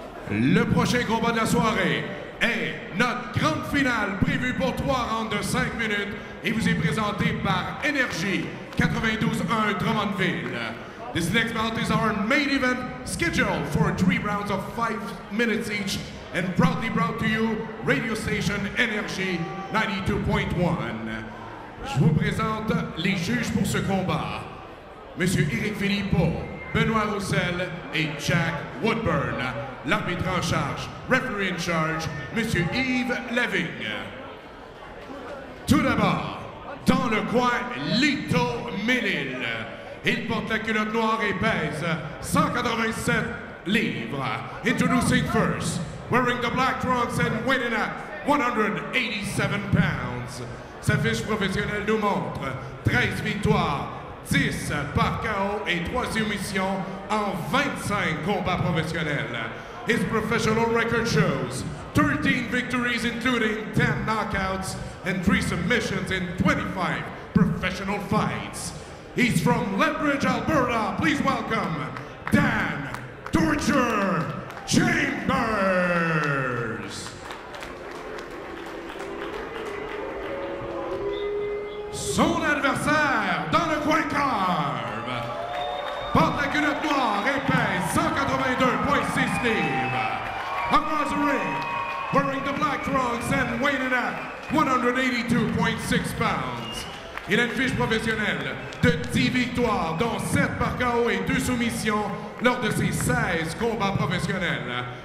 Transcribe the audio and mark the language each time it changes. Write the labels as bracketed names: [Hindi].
[French] Le prochain combat de la soirée est notre grande finale prévue pour 3 rounds de 5 minutes et vous est présenté par Énergie 92-1 Drummondville. [English] This next bout is our main event scheduled for 3 rounds of 5 minutes each. And proudly brought to you, radio station Energy 92.1. [French] Je vous présente les juges pour ce combat. Monsieur Éric Philippot, Benoît Roussel et Jack Woodburn. L'arbitre en charge, [English] referee in charge, [French] Monsieur Yves Leving. Tout d'abord, dans le coin, Lito Mélil. Il porte la culotte noire et pèse 187 livres. [English] Introducing first. Wearing the black trunks and weighing at 187 pounds. [French] Sa fiche professionnelle nous montre 13 victoires, 10 par KO et 3 soumissions en 25 combats professionnels. [English] His professional record shows 13 victories including 10 knockouts and 3 submissions in 25 professional fights. He's from Lethbridge, Alberta. Please welcome Dan Torture Chambers! [French] Son adversaire dans le coin carve porte la culotte noire et pèse 182.6 livres. [English] Across the ring, wearing the black trunks and weighing at 182.6 pounds. [French] Il a une fiche professionnelle de 10 victoires, dont 7 par KO et 2 soumissions lors de ses 16 combats professionnels.